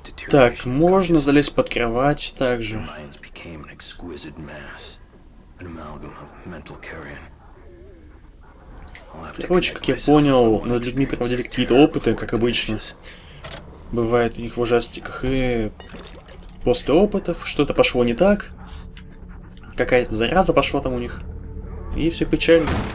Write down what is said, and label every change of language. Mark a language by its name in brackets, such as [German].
[Russian] Так, можно залезть под кровать также. [English] Minds became an exquisite mass, an amalgam of mental carrion. [Russian] Короче, как я понял, над людьми проводили какие-то опыты, как обычно. Бывает у них в ужастиках, и После опытов что-то пошло не так. Какая-то зараза пошла там у них. И все печально.